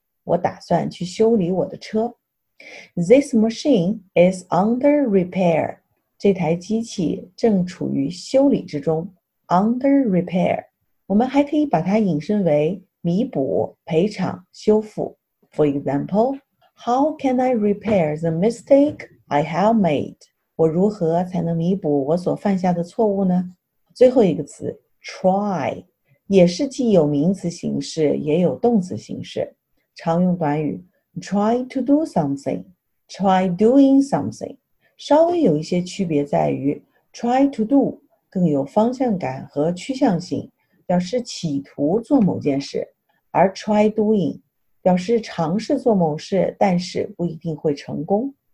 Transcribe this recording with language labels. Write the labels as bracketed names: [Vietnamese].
[Chinese] 我打算去修理我的车。 [English] This machine is under repair. [Chinese] 这台机器正处于修理之中， [English] under repair. [Chinese] 我们还可以把它引申为弥补、赔偿、修复。 [English] For exampleHow can I repair the mistake I have made? [Chinese] 我如何才能弥补我所犯下的错误呢？最后一个词 try，也是既有名词形式也有动词形式。常用短语 [English] try to do something, try doing something, [Chinese] 稍微有一些区别在于 try to do 更有方向感和趋向性，表示企图做某件事，而 try doing 表示尝试做某事，但是不一定会成功。